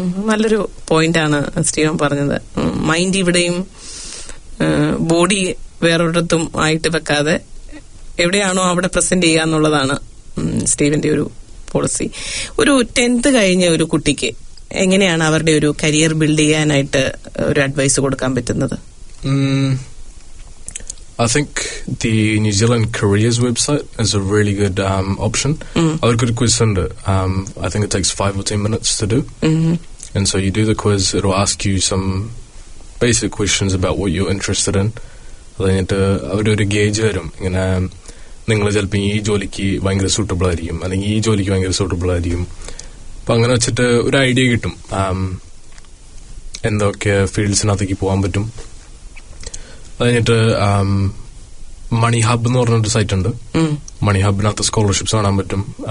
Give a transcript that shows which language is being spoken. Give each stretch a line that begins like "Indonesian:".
Malayalam: നല്ലൊരു പോയിന്റ് ആണ് സ്റ്റീവൻ പറഞ്ഞത്. മൈൻഡ് ഇവിടെയും ബോഡി വേറൊരിടത്തും ആയിട്ട് വെക്കാതെ എവിടെയാണോ അവിടെ പ്രസന്റ് ചെയ്യുക എന്നുള്ളതാണ് സ്റ്റീവന്റെ ഒരു പോളിസി. ഒരു 10th കഴിഞ്ഞ ഒരു കുട്ടിക്ക് എങ്ങനെയാണ് അവരുടെ ഒരു കരിയർ ബിൽഡ് ചെയ്യാനായിട്ട് ഒരു അഡ്വൈസ് കൊടുക്കാൻ പറ്റുന്നത്?
English: I think the New Zealand Careers website is a really good option. I'll give a quiz under. I think it takes 5 or 10 minutes to do. And so you do the quiz, it'll ask you some basic questions about what you're interested in.
Malayalam: അതുകഴിഞ്ഞിട്ട് അവരൊരു gauge വരും, ഇങ്ങനെ നിങ്ങൾ ചിലപ്പോൾ ഈ ജോലിക്ക് ഭയങ്കര suitable ആയിരിക്കും അല്ലെങ്കിൽ ഈ ജോലിക്ക് ഭയങ്കര സൂട്ടബിൾ ആയിരിക്കും. അപ്പം അങ്ങനെ വെച്ചിട്ട് ഒരു ഐഡിയ കിട്ടും എന്തൊക്കെ ഫീൽഡ്സിനകത്തേക്ക് പോകാൻ പറ്റും. അതുകഴിഞ്ഞിട്ട് മണി ഹബ് എന്ന് പറഞ്ഞൊരു സൈറ്റ് ഉണ്ട്, മണി ഹബിനകത്ത് സ്കോളർഷിപ്സ് കാണാൻ പറ്റും.